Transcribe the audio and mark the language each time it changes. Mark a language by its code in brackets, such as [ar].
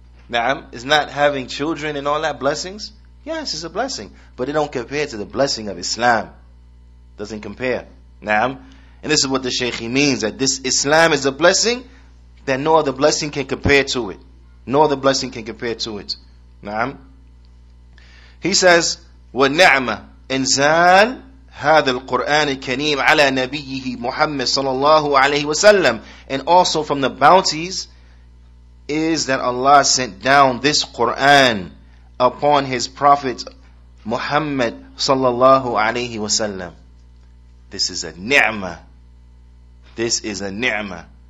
[en] Na'am, is not having children and all that blessings? Yes, it's a blessing. But it don't compare to the blessing of Islam. Doesn't compare. Na'am. And this is what the Shaykh means, that this Islam is a blessing that no other blessing can compare to it. No other blessing can compare to it. Na'am. He says, [ar] وَالنَّعْمَ إِنْزَالَ هَذَا الْقُرْآنِ الْكَرِيمِ عَلَى نَبِيِّهِ مُحَمَّدٍ صَلَى اللَّهُ عَلَيْهِ وَسَلَّمُ. [en] And also from the bounties is that Allah sent down this Qur'an upon His Prophet Muhammad [ar] صلى الله عليه وسلم. [en] This is a ni'mah. This is a ni'mah.